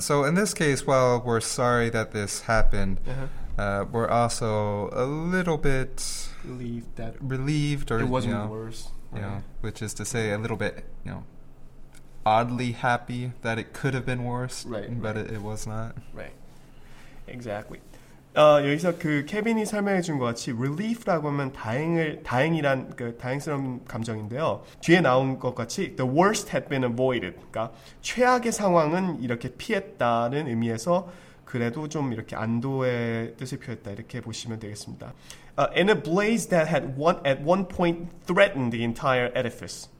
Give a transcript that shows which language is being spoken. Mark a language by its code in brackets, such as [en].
[en] So in this case, while we're sorry that this happened, uh-huh. We're also a little bit relieved or it wasn't worse. Right. You know, which is to say a little bit, oddly happy that it could have been worse, right, but right. It was not. Right. Exactly. [ko] 여기서 그 케빈이 설명해 준 것 같이 relief라고 하면 다행이란 그 다행스러운 감정인데요. 뒤에 나온 것 같이 [en] the worst had been avoided. [ko] 그러니까 최악의 상황은 이렇게 피했다는 의미에서 그래도 좀 이렇게 안도의 뜻을 표했다 이렇게 보시면 되겠습니다. [en] In a blaze that had at one point threatened the entire edifice.